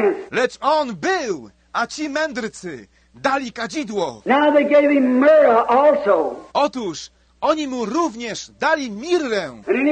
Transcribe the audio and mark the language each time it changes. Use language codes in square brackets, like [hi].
[pl] Lecz On był, a ci mędrcy dali kadzidło. [en] Now they gave him myrrh also. [pl] Otóż oni mu również dali mirrę.